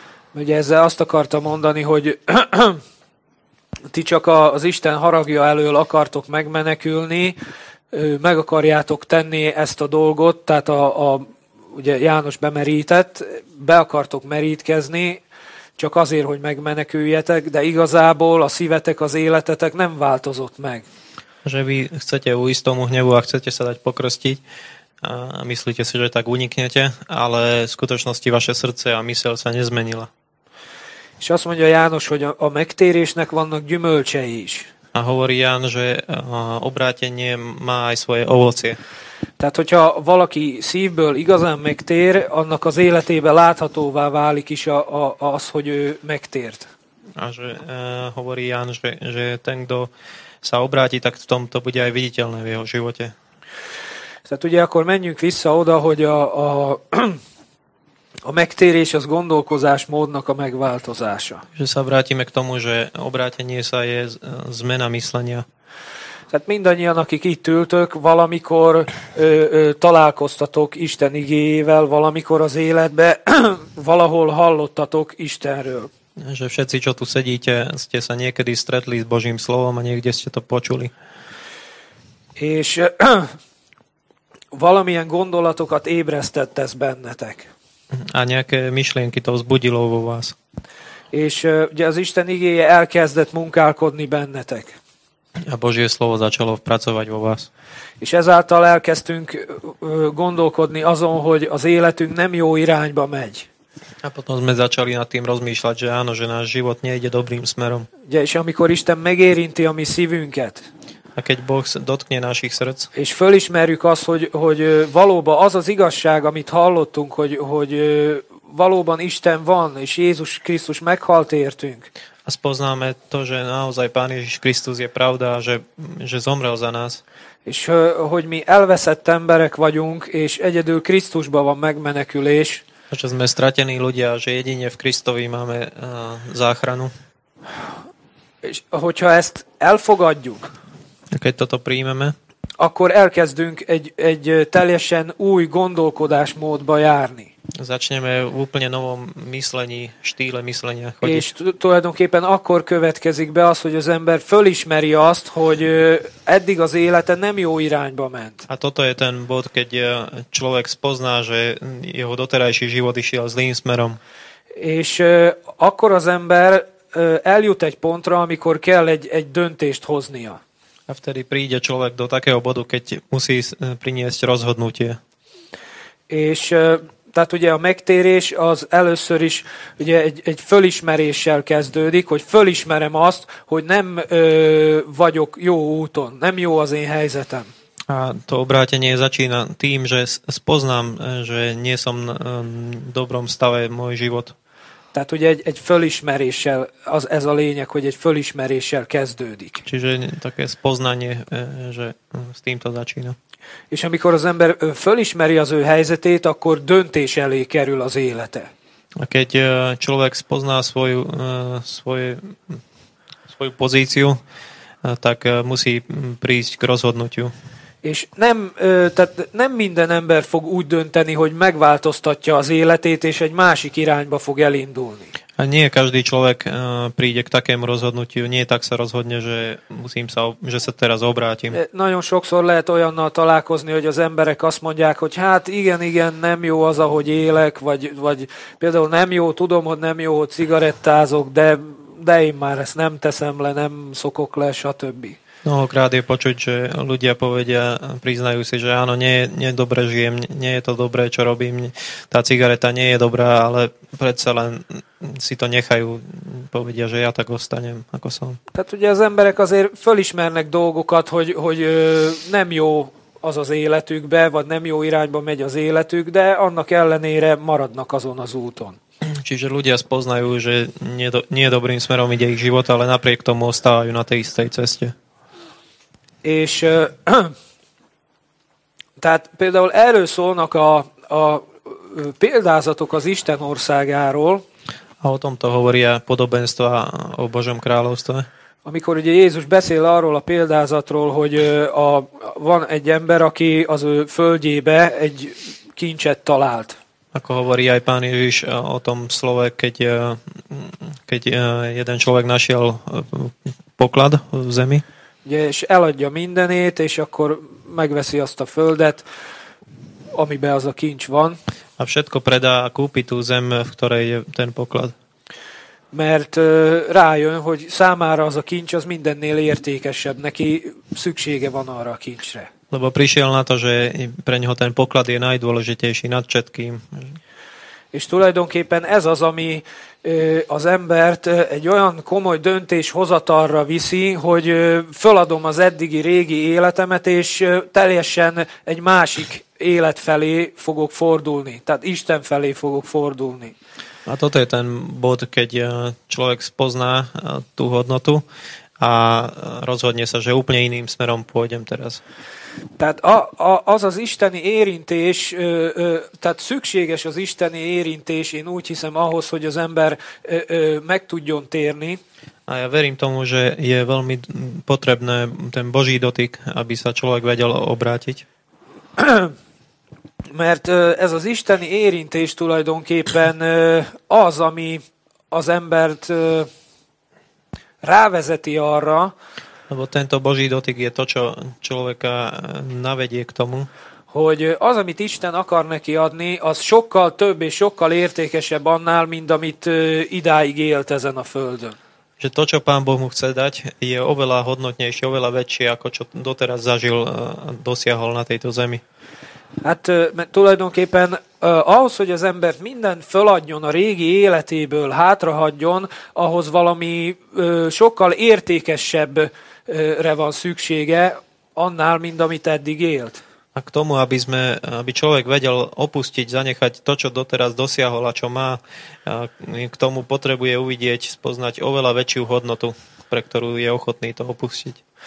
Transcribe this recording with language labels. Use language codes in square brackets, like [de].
[hu] Ugye ezzel azt akarta mondani, hogy ti csak az Isten haragja elől akartok megmenekülni, meg akarjátok tenni ezt a dolgot, tehát ugye János bemerített, be akartok merítkezni, csak azért, hogy megmeneküljetek, de igazából a szívetek, az életetek nem változott meg. [sk] Že vy chcete uísť tomu hnevu a chcete sa dať pokrstiť a myslíte si, že tak uniknete, ale v skutočnosti vaše srdce a myseľ sa nezmenila. [hu] És azt mondja János, hogy a megtérésnek vannak gyümölcsei is. [sk] A hovorí Ján, že obrátenie má aj svoje ovocie. [hu] Tehát, hogyha valaki szívből igazán megtér, annak az életében láthatóvá válik is az, hogy ő megtért. [sk] A že hovorí Ján, že ten, kto sa obráti, tak v tom to bude aj viditeľné v jeho živote. [hu] Tehát ugye akkor menjünk vissza oda, hogy a megtérés az gondolkozás módnak a megváltozása. [sk] Že sa vrátime k tomu, že obrátenie sa je zmena myslenia. [hu] Tehát mindannyian, akik itt ültök, valamikor találkoztatok Isten igéjével, valamikor az életbe, valahol hallottatok Istenről. [sk] Že všetci, čo tu sedíte, ste sa niekedy stretli s Božím slovom a niekde ste to počuli. [hu] És valamilyen gondolatokat ébresztett ez bennetek. [sk] A nejaké myšlienky to vzbudilo vo vás. [hu] És ugye az Isten igéje elkezdett munkálkodni bennetek. [sk] A Božie slovo začalo pracovať vo vás. [hu] És ezáltal elkezdtünk gondolkodni azon, hogy az életünk nem jó irányba megy. [sk] A potom sme začali nad tým rozmýšľať, že áno, že náš život nejde dobrým smerom. [hu] Ugye, és amikor Isten megérinti a mi szívünket. [sk] A keď Boh dotkne našich srdc. [hu] És fölismerjük azt, hogy valóban az az igazság, amit hallottunk, hogy valóban Isten van, és Jézus Krisztus meghalt értünk. [sk] A spoznáme to, že naozaj Pán Ježiš Krisztus je pravda, že zomrel za nás. [hu] És hogy mi elveszett emberek vagyunk, és egyedül Krisztusban van megmenekülés. [sk] A že sme stratení ľudia, že jedine v Kristovi máme záchranu. [hu] És hogyha ezt elfogadjuk, [sk] keď toto príjmeme, [hu] akkor elkezdünk egy teljesen új gondolkodásmódba járni. [sk] Začneme v úplne novom myslení, štýle myslenia chodiť. [hu] És tulajdonképpen akkor következik be az, hogy az ember fölismeri azt, hogy eddig az élete nem jó irányba ment. [sk] A toto je ten bod, keď človek spozná, že jeho doterajší život išiel zlým smerom. [hu] És akkor az ember eljut egy pontra, amikor kell egy döntést hoznia. [sk] A vtedy príde človek do takého bodu, keď musí priniesť rozhodnutie. [hu] És tehát ugye a megtérés az először is ugye egy fölismeréssel kezdődik, hogy fölismerem azt, hogy nem vagyok jó úton, nem jó az én helyzetem. [sk] A to obrátenie začína tým, že spoznám, že nie som v dobrom stave môj život. [hu] Tehát ugye egy fölismeréssel, ez a lényeg, hogy egy fölismeréssel kezdődik. [sk] Čiže také spoznanie, že s týmto začína. [hu] És amikor az ember fölismeri az ő helyzetét, akkor döntés elé kerül az élete. [sk] A keď človek spozná svoju pozíciu, tak musí prísť k rozhodnutiu. [hu] És nem minden ember fog úgy dönteni, hogy megváltoztatja az életét, és egy másik irányba fog elindulni. [sk] A nie každý človek príde k takému rozhodnutiu, nie tak sa rozhodne, že sa teraz obrátim. [hu] Nagyon sokszor lehet olyannal találkozni, hogy az emberek azt mondják, hogy hát igen, nem jó az, ahogy élek, vagy például nem jó, tudom, hogy nem jó, hogy cigarettázok, de én már ezt nem teszem le, nem szokok le, stb. [sk] Mnohokrát je počuť, že ľudia povedia, priznajú si, že áno, nie dobre žijem, nie je to dobré, čo robím, tá cigareta nie je dobrá, ale predsa len si to nechajú, povedia, že ja tak ostanem, ako som. [hu] Tehát ugye az emberek azért fölismernek dolgokat, hogy nem jó az az életükbe, vagy nem jó irányba megy az életük, de annak ellenére maradnak azon az úton. [sk] Čiže ľudia spoznajú, že nie dobrým smerom ide ich život, ale napriek tomu ostávajú na tej istej ceste. [hu] És tehát például erről szólnak a példázatok az Isten országáról. [sk] A o tomto hovoria podobenstva o Božom kráľovstve. [hu] Amikor ugye Jézus beszél arról a példázatról, hogy van egy ember, aki az ő földjébe egy kincset talált. [sk] Ako hovorí aj Pán Ježiš o tom slove, keď jeden človek našiel poklad v zemi. [hu] És eladja mindenét, és akkor megveszi azt a földet, amiben az a kincs van. [sk] A všetko predá a kúpi tú zem, v ktorej je ten poklad. [hu] Mert rájön, hogy számára az a kincs az mindennél értékesebb, neki szüksége van arra a kincsre. [sk] Lebo prišiel na to, že pre neho ten poklad je najdôležitejší nad všetkým. [hu] És tulajdonképpen ez az, ami az embert egy olyan komoly döntés hozatalra viszi, hogy föladom az eddigi régi életemet, és teljesen egy másik élet felé fogok fordulni. Tehát Isten felé fogok fordulni. [sk] A toto je ten bod, keď človek spozná tú hodnotu a rozhodne sa, že úplne iným smerom pôjdem teraz. [hu] Tehát az az isteni érintés, tehát szükséges az isteni érintés, én úgy hiszem ahhoz, hogy az ember meg tudjon térni. [sk] A ja verím tomu, že je veľmi potrebné ten Boží dotyk, aby sa človek vedel obrátiť. [hu] Mert ez az isteni érintés tulajdonképpen az, ami az embert rávezeti arra, [sk] lebo tento Boží dotyk je to, čo človeka navedie k tomu, [hu] hogy az, amit Isten akar neki adni, az sokkal több és sokkal értékesebb annál, mint amit idáig élt ezen a földön. [sk] Že to, čo Pán Boh mu chce dať, je oveľa hodnotnejšie, oveľa väčšie, ako čo doteraz zažil a dosiahol na tejto zemi. [hu] Hát tulajdonképpen ahhoz, hogy az ember minden föladjon a régi életéből, hátrahagyjon, ahhoz valami sokkal értékesebbre van szüksége annál, mint amit eddig élt. [sk] A k tomu, aby človek vedel opustiť, zanechať to, čo doteraz dosiahol a čo má, a k tomu potrebuje uvidieť, spoznať oveľa väčšiu hodnotu, pre ktorú je ochotný to opustiť.